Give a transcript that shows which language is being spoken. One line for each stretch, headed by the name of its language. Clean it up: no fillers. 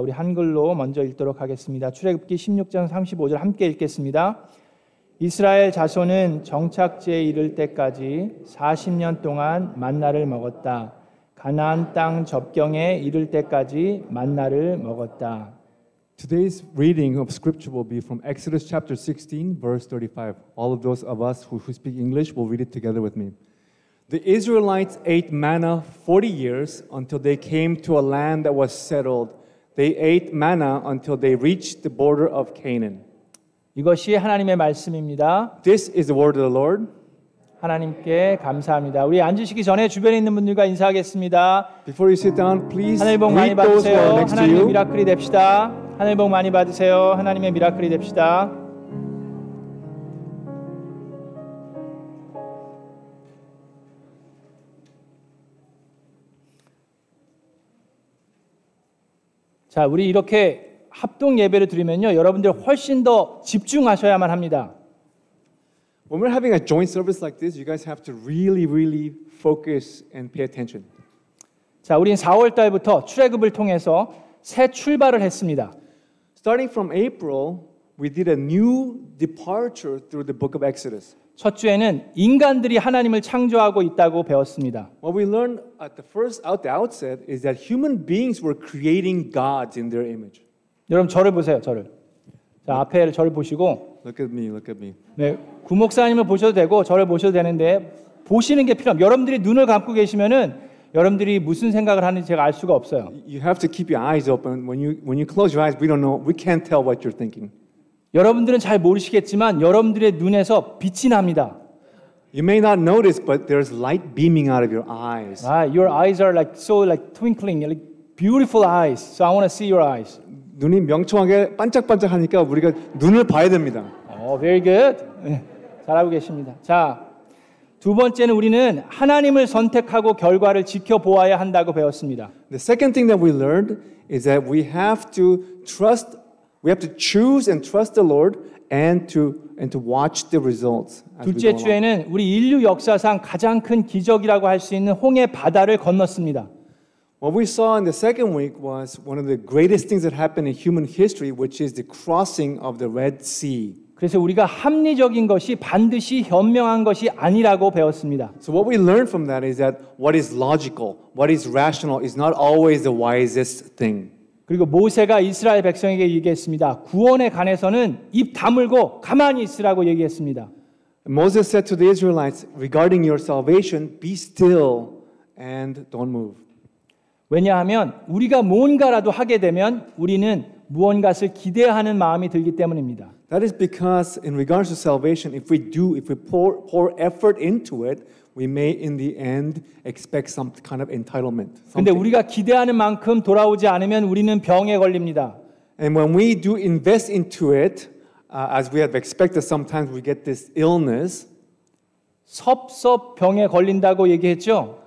Korean: 우리 한글로 먼저 읽도록 하겠습니다. 출애굽기 16장 35절 함께 읽겠습니다. 이스라엘 자손은 정착지에 이를 때까지 40년 동안 만나를 먹었다. 가나안 땅 접경에 이를 때까지 만나를 먹었다.
English: Today's reading of scripture will be from Exodus chapter 16, verse 35. All of those of us who speak English will read it together with me. The Israelites ate manna 40 years until they came to a land that was settled. They ate manna until they reached the border of Canaan.
Korean: 이것이 하나님의 말씀입니다.
English: This is the word of the Lord.
Korean: 하나님께 감사합니다. 우리 앉으시기 전에 주변에 있는 분들과 인사하겠습니다.
English: Before you sit down, please greet those who are next to you.
Korean: 하나님의 미라클이 됩시다. 하늘 복 많이 받으세요. 하나님의 미라클이 됩시다. 자, 우리 이렇게 합동 예배를 드리면요. 여러분들 훨씬 더 집중하셔야만 합니다.
English: When we're having a joint service like this, you guys have to really, really focus and pay attention.
Korean: 자, 우린 4월 달부터 출애굽을 통해서 새 출발을 했습니다.
English: Starting from April, we did a new departure through the book of Exodus.
Korean: 첫 주에는 인간들이 하나님을 창조하고 있다고 배웠습니다.
English: What we learned at the first at the outset is that human beings were creating gods in their image.
Korean: 여러분 저를 보세요, 저를. 자, 앞에 저를 보시고
English: Look at me, look at me.
Korean: 네, 구목사님을 보셔도 되고 저를 보셔도 되는데 보시는 게 필요합니다. 여러분들이 눈을 감고 계시면은 여러분들이 무슨 생각을 하는지 제가 알 수가 없어요.
English: You have to keep your eyes open. When you close your eyes, we don't know. We can't tell what you're thinking.
Korean: 여러분들은 잘 모르시겠지만 여러분들의 눈에서 빛이 납니다.
English: You may not notice, but there's light beaming out of your eyes. Your eyes are like so like twinkling, like beautiful eyes. So I want to see your eyes.
Korean: 눈이 명청하게 반짝반짝하니까 우리가 눈을 봐야 됩니다.
English: Oh, very good. 잘하고 계십니다.
Korean: 자, 두 번째는 우리는 하나님을 선택하고 결과를 지켜보아야 한다고 배웠습니다.
English: The second thing that we learned is that we have to trust, we have to choose and trust the Lord and to watch the results.
Korean: 둘째 주에는 우리 인류 역사상 가장 큰 기적이라고 할 수 있는 홍해 바다를 건넜습니다.
English: What we saw in the second week was one of the greatest things that happened in human history, which is the crossing of the Red Sea.
Korean: 그래서 우리가 합리적인 것이 반드시 현명한 것이 아니라고 배웠습니다.
English: So what we learned from that is that what is logical, what is rational is not always the wisest thing.
Korean: 그리고 모세가 이스라엘 백성에게 얘기했습니다. 구원에 관해서는 입 다물고 가만히 있으라고 얘기했습니다.
English: Moses said to the Israelites, regarding your salvation, be still and don't move.
Korean: 왜냐하면 우리가 뭔가라도 하게 되면 우리는 무언가를 기대하는 마음이 들기 때문입니다.
English: That is because in regards to salvation, if we do, if we pour effort into it, we may in the end expect some kind of entitlement.
Korean: 그런데 우리가 기대하는 만큼 돌아오지 않으면 우리는 병에 걸립니다.
English: And when we do invest into it, as we have expected, sometimes we get this illness.
Korean: 섭섭 병에 걸린다고 얘기했죠?